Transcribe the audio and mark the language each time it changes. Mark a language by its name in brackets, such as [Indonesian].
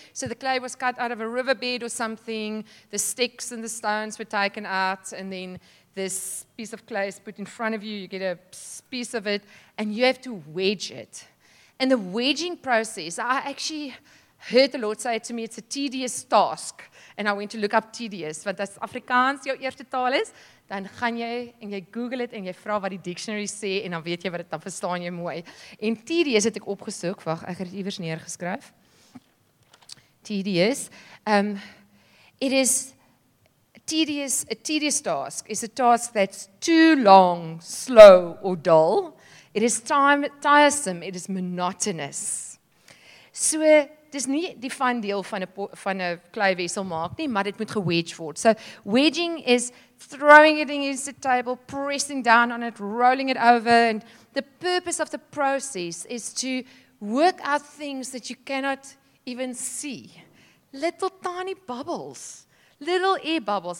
[English] So the clay was cut out of a riverbed or something, the sticks and the stones were taken out, and then this piece of clay is put in front of you, you get a piece of it, and you have to wedge it. And the wedging process, I actually heard the Lord say to me, it's a tedious task. And I went to look up tedious. [Afrikaans] Want as Afrikaans jou eerste taal is, dan gaan jy en jy Google het en jy vra wat die dictionary sê en dan weet jy wat het, dan verstaan jy mooi. En tedious het ek opgesoek, wag, ek het iewers neergeskryf. Tedious. [English] It is tedious, a tedious task is a task that's too long, slow or dull. It is time tiresome, it is monotonous. [Afrikaans] So, dis nie die fyn deel van 'n kleiwesel maak nie, maar dit moet gewedge word. [English] So, wedging is throwing it against the table, pressing down on it, rolling it over, and the purpose of the process is to work out things that you cannot even see. Little tiny bubbles. Little air bubbles.